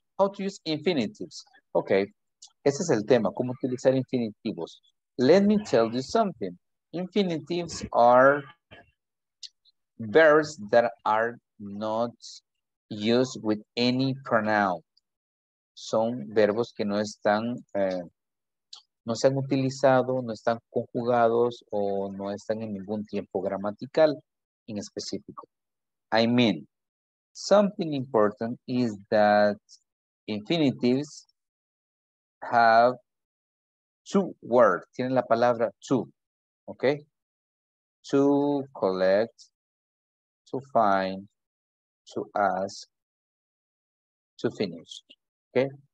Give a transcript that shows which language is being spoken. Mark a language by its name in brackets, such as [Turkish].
[English] How to use infinitives. Okay. [Spanish] Ese es el tema. ¿Cómo utilizar infinitivos? [English] Let me tell you something. Infinitives are verbs that are not used with any pronoun. [Spanish] Son verbos que no están... no se han utilizado, no están conjugados o no están en ningún tiempo gramatical en específico. [English] I mean, something important is that infinitives have two words. [Spanish] Tienen la palabra to, okay? [English] To collect, to find, to ask, to finish, okay?